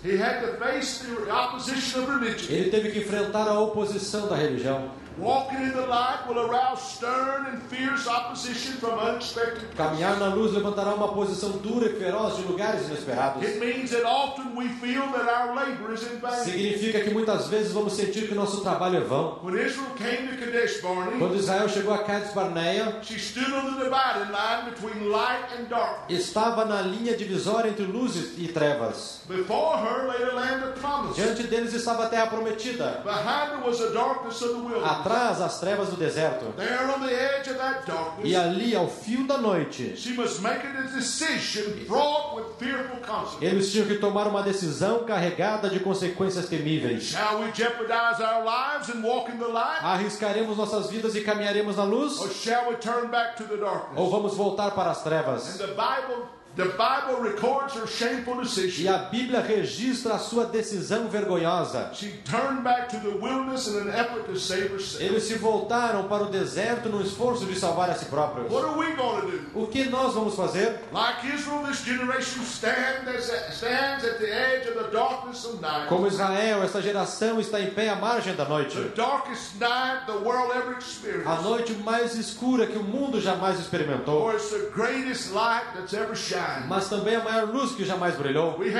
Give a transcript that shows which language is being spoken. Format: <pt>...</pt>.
<en>he had to face the opposition of religion.</en> <pt>Ele teve que enfrentar a oposição da religião.</pt> <en>Walking in the light will arouse stern and fierce opposition from unexpected places.</en> <pt>Caminhar na luz levantará uma posição dura e feroz de lugares inesperados.</pt> <en>It means that often we feel that our labor is in vain.</en> <pt>Significa que muitas vezes vamos sentir que nosso trabalho é vão.</pt> <en>When Israel came to Kadesh Barnea,</en> <pt>quando Israel chegou a Kadesh Barnea,</pt> <en>she stood on the dividing line between light and darkness.</en> <pt>Estava na linha divisória entre luzes e trevas.</pt> <en>Before her lay the land of promise.</en> <pt>Diante deles estava a terra prometida.</pt> <en>Behind her was the darkness of the wilderness.</en> <pt>Atrás as trevas do deserto.</pt> <en>There on the edge of that darkness,</en> <pt>e ali ao fio da noite.</pt> <en>She must make a decision fraught with fearful consequences.</en> <pt>Eles tinham que tomar uma decisão carregada de consequências temíveis.</pt> <en>Shall we jeopardize our lives and walk in the light?</en> <pt>Arriscaremos nossas vidas e caminharemos na luz?</pt> <en>Or shall we turn back to the darkness?</en> <pt>Ou vamos voltar para as trevas?</pt> <en>And the Bible records her shameful decision.</en> <pt>E a Bíblia registra a sua decisão vergonhosa.</pt> <en>She turned back to the wilderness in an effort to save herself.</en> <pt>Eles se voltaram para o deserto no esforço de salvar a si próprios.</pt> <en>What are we going to do?</en> <pt>O que nós vamos fazer?</pt> <en>Like Israel, this generation stands at the edge of the darkness of night.</en> <pt>Como Israel, esta geração está em pé à margem da noite.</pt> <en>The darkest night the world ever experienced.</en> <pt>A noite mais escura que o mundo jamais experimentou.</pt> <en>Or it's the greatest light that's ever shone.</en> <pt>Mas também a maior luz que jamais brilhou.</pt>